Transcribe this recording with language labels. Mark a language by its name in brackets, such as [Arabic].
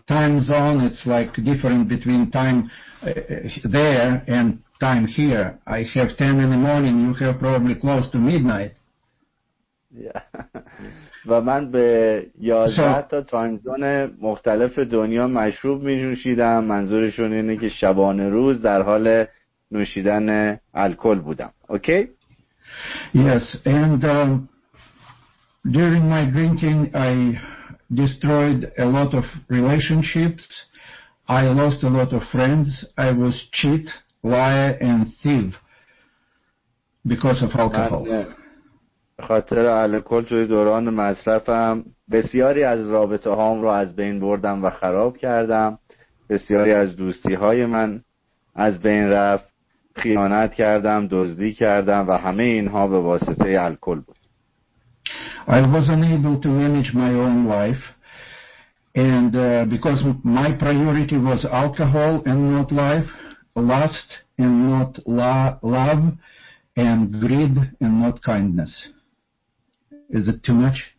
[English] Time zone, it's like different between time there and time here. I have 10 in the morning, you have probably close to midnight. Yeah. [Persian] و من به 11 تا تایم زون مختلف دنیا مشروب می نوشیدم. منظورشون اینه که شبانه روز در حال نوشیدن الکل بودم. [English] Okay? Yes, and during my drinking I destroyed a lot of relationships. I lost a lot of friends. I was cheat, liar and thief because of alcohol. [Persian] به خاطر الکل توی دوران مصرفم بسیاری از رابطه هام رو از بین بردم و خراب کردم. بسیاری از دوستی های من از بین رفت. خیانت کردم، دزدی کردم و همه اینها به واسطه الکل بود. [English] I was unable to manage my own life and because my priority was alcohol and not life, lust and not love and greed and not kindness. Is it too much?